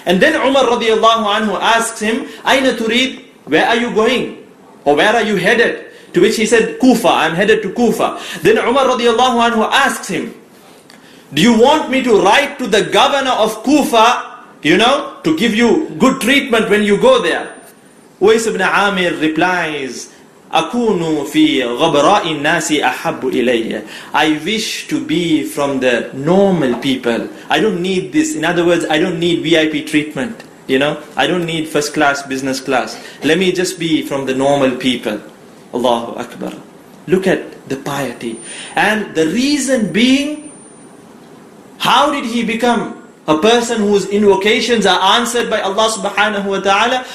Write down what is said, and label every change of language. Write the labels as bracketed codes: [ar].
[en] And then Umar radiallahu anhu asks him, Aina Turid, where are you going? Or where are you headed? To which he said, Kufa, I'm headed to Kufa. Then Umar radiallahu anhu asks him, do you want me to write to the governor of Kufa, you know, to give you good treatment when you go there? Uwais ibn Amir replies, [ar] أَكُونُ فِي غَبْرَاءِ النَّاسِ أَحَبُّ إِلَيَّ. [en] I wish to be from the normal people. I don't need this. In other words, I don't need VIP treatment. You know, I don't need first class, business class. Let me just be from the normal people. Allahu Akbar. Look at the piety. And the reason being, how did he become a person whose invocations are answered by Allah subhanahu wa ta'ala?